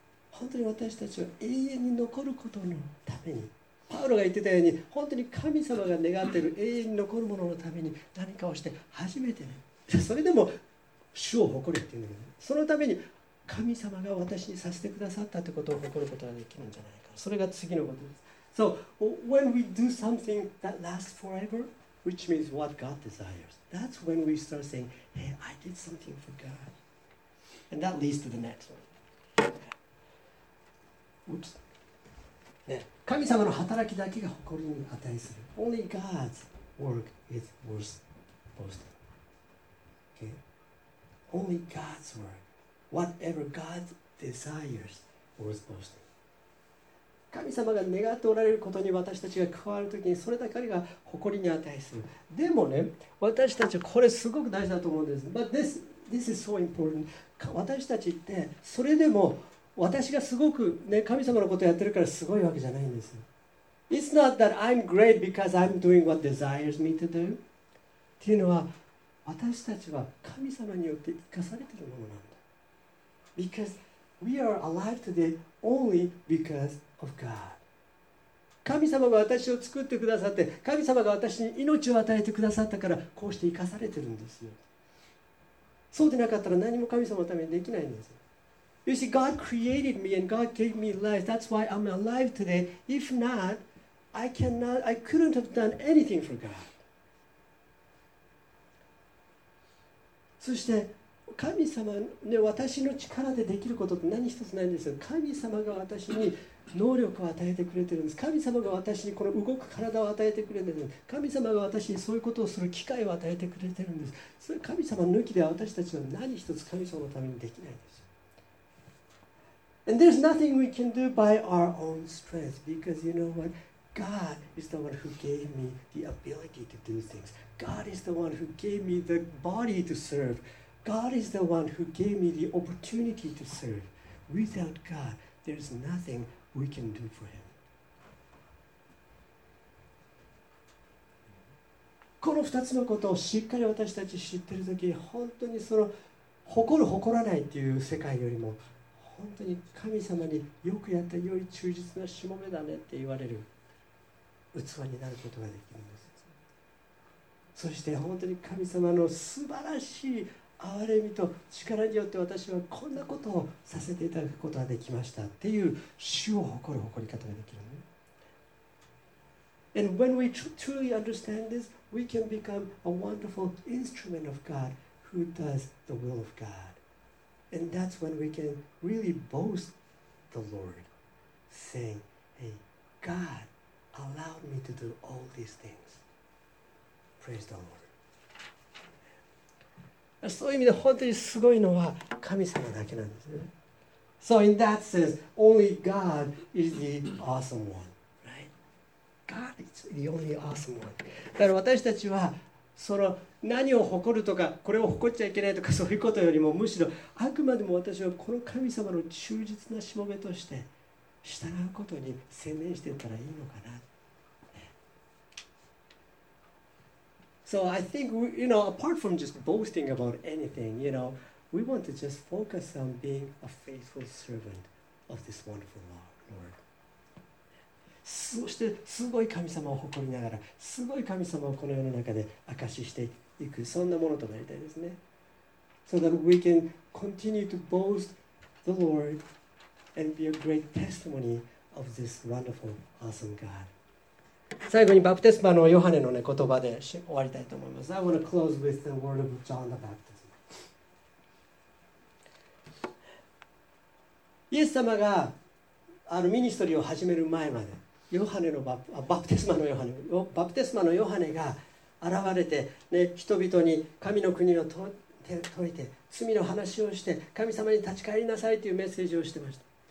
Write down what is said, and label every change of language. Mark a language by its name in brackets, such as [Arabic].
[Japanese] 本当に私たちは永遠に残ることのために、パウロが言ってたように、本当に神様が願っている永遠に残るもののために何かをして初めてね。それでも主を誇るっていうんだけど、そのために神様が私にさせてくださったってことを誇ることができるんじゃないか。それが次のことです。 [English] So when we do something that lasts forever, which means what God desires. That's when we start saying, hey, I did something for God. And that leads to the next one. Oops. [Japanese] ね、神様の働きだけが誇りに値する。 [English] Only God's work is worth boasting. Okay? Only God's work, whatever God desires, worth boasting. [Japanese] 神様が願っておられることに私たちが加わるときに、それだけが誇りに値する。でもね、私たちはこれすごく大事だと思うんです。 [English] But this is so important. [Japanese] 私たちってそれでも私がすごく、ね、神様のことをやってるからすごいわけじゃないんです。 [English] It's not that I'm great because I'm doing what desires me to do. [Japanese] っていうのは、私たちは神様によって生かされているものなんだ。 [English] Because we are alive today only because of God. [Japanese] 神様が私を作ってくださって、神様が私に命を与えてくださったから、こうして生かされているんですよ。そうでなかったら何も神様のためにできないんですよ。 [English] You see, God created me and God gave me life. That's why I'm alive today. If not, I couldn't have done anything for God. [Japanese] そして神様ね、私の力でできることって何一つないんですよ。神様が私に能力を与えてくれてるんです。神様が私にこの動く体を与えてくれてるんです。神様が私にそういうことをする機会を与えてくれてるんです。それ神様抜きでは私たちは何一つ神様のためにできないんですよ。 [English] And there's nothing we can do by our own strength because you know what? God is the one who gave me the ability to do things. God is the one who gave me the body to serve. God is the one who gave me the opportunity to serve. Without God, there's nothing we can do for Him. [Japanese] この2つのことをしっかり私たち知ってるとき、本当にその誇る誇らないっていう世界よりも本当に神様によくやった良い忠実なしもべだねって言われる器になることができるんです。そして本当に神様の素晴らしい憐れみと力によって私はこんなことをさせていただくことができましたっていう主を誇る誇り方ができるね。 [English] And when we truly understand this, we can become a wonderful instrument of God who does the will of God. And that's when we can really boast the Lord, saying, "Hey, God allowed me to do all these things." Praise the Lord. [Japanese] そういう意味で本当にすごいのは神様だけなんですね。 [English] So in that sense, only God is the awesome one, right? God is the only awesome one. [Japanese] だから私たちはその何を誇るとかこれを誇っちゃいけないとかそういうことよりもむしろあくまでも私はこの神様の忠実なしもべとして従うことに専念していったらいいのかな。 [English] So I think we, you know, apart from just boasting about anything, you know, we want to just focus on being a faithful servant of this wonderful Lord. [Japanese] そしてすごい神様を誇りながらすごい神様をこの世の中で証ししていくそんなものとなりたいですね。 [English] So that we can continue to boast the Lord and be a great testimony of this wonderful, awesome God. [Japanese] 最後にバプテスマのヨハネの、ね、言葉で終わりたいと思います。 [English] I want to close with the word of John the Baptist. [Japanese] イエス様があのミニストリーを始める前までヨハネのバプテスマのヨハネ、バプテスマのヨハネが現れて、ね、人々に神の国を説いて罪の話をして神様に立ち返りなさいというメッセージをしてました。